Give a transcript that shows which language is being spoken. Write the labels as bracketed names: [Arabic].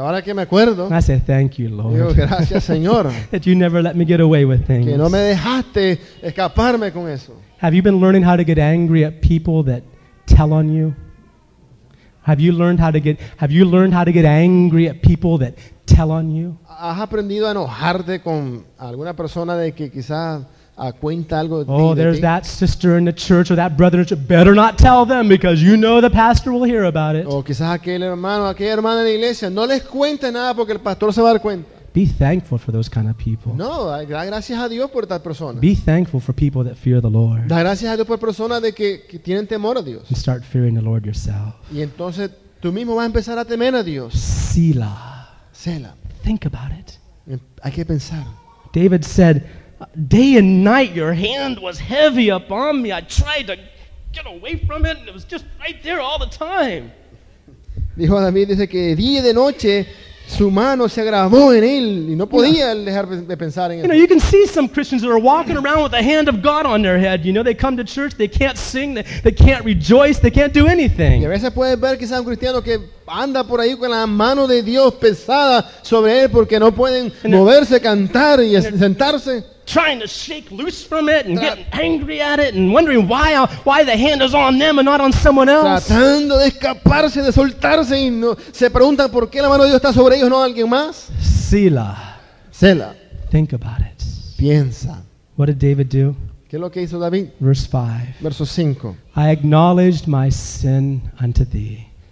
[English] I say, thank you, Lord. That you never let me get away with things. [Spanish] Escaparme con eso. [English] Have you been learning how to get angry at people that tell on you? Have you learned how to get angry at people that tell on you? [Spanish] ¿Has aprendido a enojarte con alguna persona de que quizás cuenta algo de ti? [English] Oh, there's that sister in the church or that brother in the church. Better not tell them because you know the pastor will hear about it. [Spanish] O quizás aquel hermano, aquella hermana de la iglesia. No les cuente nada porque el pastor se va a dar cuenta. [English] Be thankful for those kind of people. [Spanish] No, da gracias a Dios por estas personas. [English] Be thankful for people that fear the Lord. [Spanish] Da gracias a Dios por personas de que tienen temor a Dios. [English] And start fearing the Lord yourself. [Spanish] Y entonces tú mismo vas a empezar a temer a Dios. [English] Sila. [Spanish] Sela. [English] Think about it. [Spanish] Hay que pensar. [English] David said, day and night your hand was heavy upon me. I tried to get away from it and it was just right there all the time. [Spanish] Dijo David, dice que día y de noche su mano se agravó en él y no podía dejar de pensar en él. [English] You know, you can see some Christians that are walking around with the hand of God on their head. You know, they come to church, they can't sing, they can't rejoice, they can't do anything. [Spanish] Y a veces puedes ver quizás un cristiano que anda por ahí con la mano de Dios pesada sobre él porque no pueden moverse, cantar y sentarse. [English] Trying to shake loose from it and getting angry at it and wondering why the hand is on them and not on someone else. [Spanish] Tratando de escaparse, de soltarse y no, se preguntan por qué la mano de Dios está sobre ellos, no alguien más. [English] Sela. Think about it. [Spanish] Piensa. [English] What did David do? [Spanish] ¿Qué es lo que hizo David? [English] Verse 5. [Spanish] Verso 5. [English] I acknowledged my sin unto thee.